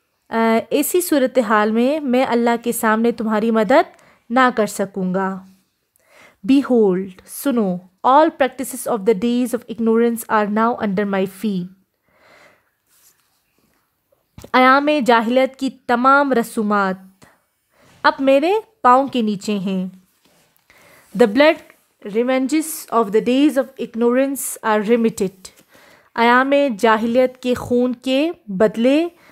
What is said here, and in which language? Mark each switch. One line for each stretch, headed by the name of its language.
Urdu: ایسی صورتحال میں میں اللہ کے سامنے تمہاری مدد نہ کر سکوں گا.
English: Behold,
Urdu: سنو,
English: all practices of the days of ignorance are now under my feet.
Urdu: ایام جاہلیت کی تمام رسومات اب میرے پاؤں کے نیچے ہیں.
English: The blood revenges of the days of ignorance are remitted.
Urdu: ایام جاہلیت کے خون کے بدلے